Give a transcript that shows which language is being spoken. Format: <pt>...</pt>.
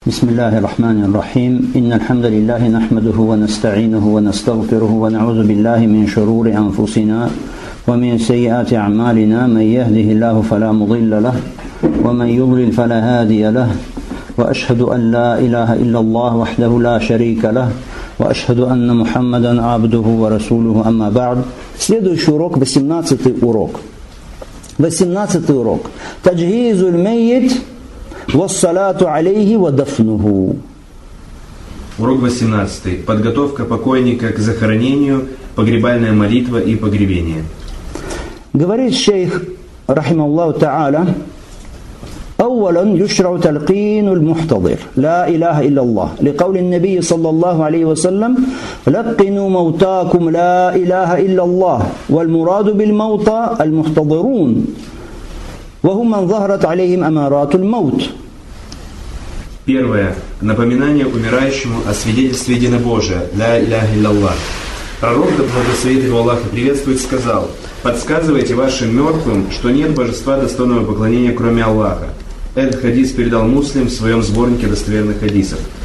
<ar>بسم الله الرحمن الرحيم إن الحمد لله نحمده ونستعينه ونستغفره ونعوذ بالله من شرور أنفسنا ومن سيئات أعمالنا من يهده الله فلا مضل له ومن يضلل فلا هادي له وأشهد أن لا إله إلا الله وحده لا شريك له وأشهد أن محمدا عبده ورسوله أما بعد</ar> <ru>следующий урок 18 урок 18 урок</ru> <ar>تجهيز الميت والصلاة عليه ودفنه.</ar> <ru>Урок 18. Подготовка покойника к захоронению, погребальная молитва и погребение. Говорит шейх</ru> <ar>رحمه الله تعالى: أولا يشرع تلقين المحتضر لا إله إلا الله لقول النبي صلى الله عليه وسلم لقنوا موتاكم لا إله إلا الله والمراد بالموتى المحتضرون وهم من ظهرت عليهم أمارات الموت.</ar> <ru>Первое. Напоминание умирающему о свидетельстве единобожия.</ru> <ar>«Ля илляха илляллах».</ar> <ru>Пророк, да благословит его Аллах и приветствует, сказал: «Подсказывайте вашим мертвым, что нет божества, достойного поклонения, кроме Аллаха». Этот хадис передал Муслим в своем сборнике достоверных хадисов.</ru>